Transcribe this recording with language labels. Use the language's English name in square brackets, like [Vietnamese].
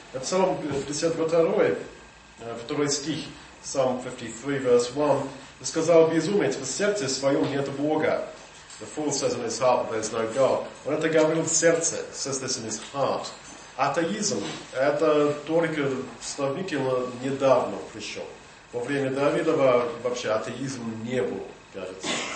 [Russian] Псалом 52-й, 2-й стих, [English] Psalm 53, verse 1, [Russian] сказал безумец, в сердце своем нет Бога. [English] The fool says in his heart there is no God. [Russian] Он это говорил в сердце, [English] says this in his heart. [Russian] Атеизм, это только сравнительно недавно пришел. Во время Давида вообще атеизм не был, кажется.